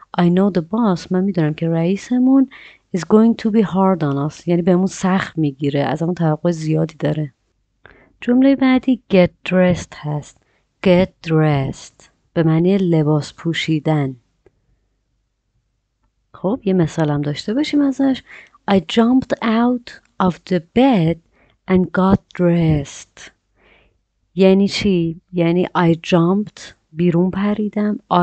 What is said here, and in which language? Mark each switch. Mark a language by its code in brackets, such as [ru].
[en] I know the boss، [fa] من میدونم که رئیسمون [en] is going to be hard on us [fa] یعنی بهمون سخت میگیره، از همون توقع زیادی داره. جمله بعدی get dressed هست. get dressed به معنی لباس پوشیدن. خب یه مثال هم داشته باشیم ازش. [en] I jumped out of the bed and got dressed. [fa] یعنی چی؟ یعنی [en] I jumped [fa] بیرون پریدم.